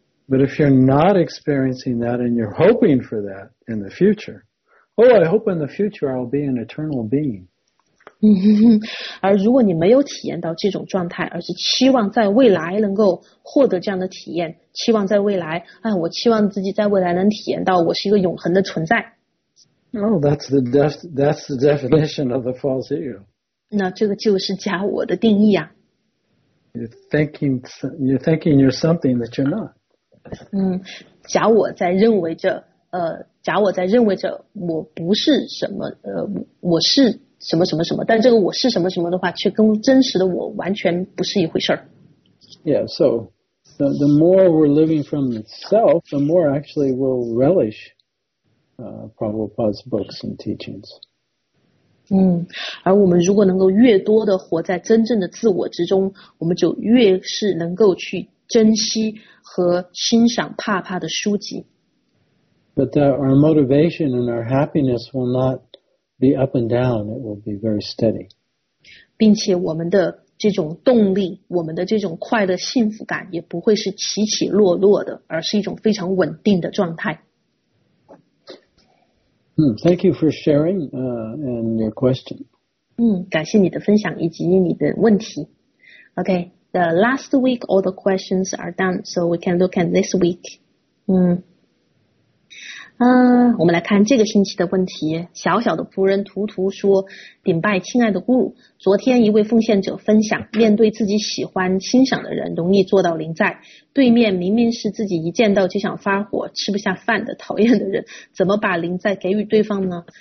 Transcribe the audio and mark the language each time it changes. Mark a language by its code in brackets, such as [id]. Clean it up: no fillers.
[en] But if you're not experiencing that and you're hoping for that in the future, oh, I hope in the future I'll be an eternal being. [zh] 而如果你没有体验到这种状态，而是期望在未来能够获得这样的体验，期望在未来，哎，我期望自己在未来能体验到我是一个永恒的存在。 [en] Oh, that's the definition of the false ego. [zh] 那这个就是假我的定义啊。 [en] You're thinking you're something that you're not. [zh] 假我在认为着，假我在认为着我不是什么，我是什么什么什么，但这个我是什么什么的话，却跟真实的我完全不是一回事儿。 [en] Yeah, so the more we're living from the self, the more actually we'll relish Prabhupada's books and teachings. [zh] 而我们如果能够越多的活在真正的自我之中，我们就越是能够去珍惜和欣赏帕帕的书籍。 [en] But that our motivation and our happiness will not be up and down, it will be very steady. [zh] 并且我们的这种动力，我们的这种快乐幸福感也不会是起起落落的，而是一种非常稳定的状态。 [en] Thank you for sharing and your question. [zh] 感谢你的分享以及你的问题。 [en] Okay, the last week all the questions are done, so we can look at this week. [zh] 我们来看这个星期的问题。小小的仆人图图说，顶拜亲爱的Guru，昨天一位奉献者分享，面对自己喜欢欣赏的人容易做到临在，对面明明是自己一见到就想发火吃不下饭的讨厌的人，怎么把临在给予对方呢？